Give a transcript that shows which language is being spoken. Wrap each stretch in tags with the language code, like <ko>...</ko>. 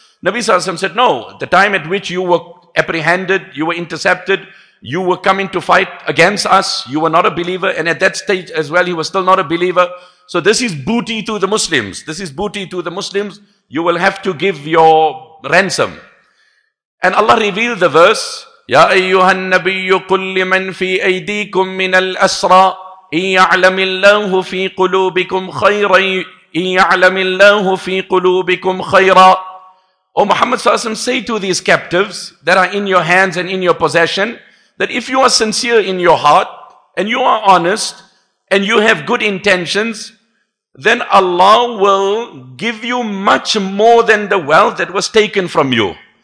<en>Nabi Sallallahu Alaihi Wasallam said, no, the time at which you were apprehended, you were intercepted, you were coming to fight against us, you were not a believer, and at that stage as well, he was still not a believer. So this is booty to the Muslims. This is booty to the Muslims. You will have to give your ransom. And Allah revealed the verse,</en> <ar>يَا أَيُّهَا النَّبِيُّ قُلْ لِمَنْ فِي أَيْدِيكُمْ مِنَ الْأَسْرَىٰ إِنْ يَعْلَمِ اللَّهُ فِي قُلُوبِكُمْ خَيْرًا إِنْ يَعْلَمِ اللَّهُ فِي قُلُوبِكُمْ خَيْرًا.</ar> <en>O Muhammad Sallallahu Alaihi Wasallam, say to these captives that are in your hands and in your possession, that if you are sincere in your heart and you are honest and you have good intentions, then Allah will give you much more than the wealth that was taken from you.</en>